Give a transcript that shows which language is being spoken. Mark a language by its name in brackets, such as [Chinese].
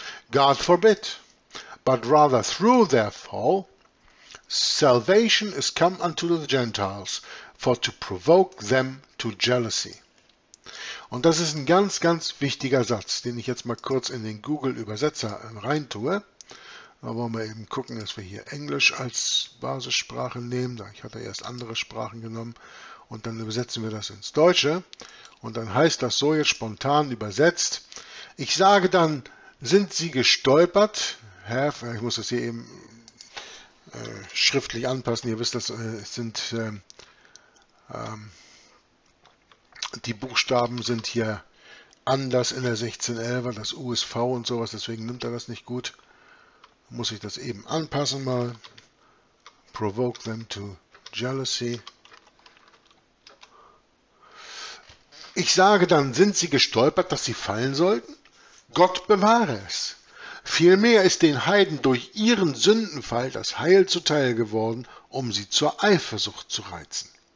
[English] God forbid, but rather through their fall, salvation is come unto the Gentiles, for to provoke them to jealousy. [German] Und das ist ein ganz, ganz wichtiger Satz, den ich jetzt mal kurz in den Google-Übersetzer reintue. Da wollen wir eben gucken, dass wir hier Englisch als Basissprache nehmen. Ich hatte erst andere Sprachen genommen und dann übersetzen wir das ins Deutsche. Und dann heißt das so jetzt spontan übersetzt, ich sage dann, sind sie gestolpert? Ich muss das hier eben schriftlich anpassen. Ihr wisst, das sind die Buchstaben sind hier anders in der 1611er, das USV und sowas. Deswegen nimmt er das nicht gut. Muss ich das eben anpassen mal. [English] Provoke them to jealousy. [German] Ich sage dann, sind sie gestolpert, dass sie fallen sollten? Gott bewahre es. Vielmehr ist den Heiden durch ihren Sündenfall das Heil zuteil geworden, um sie zur Eifersucht zu reizen.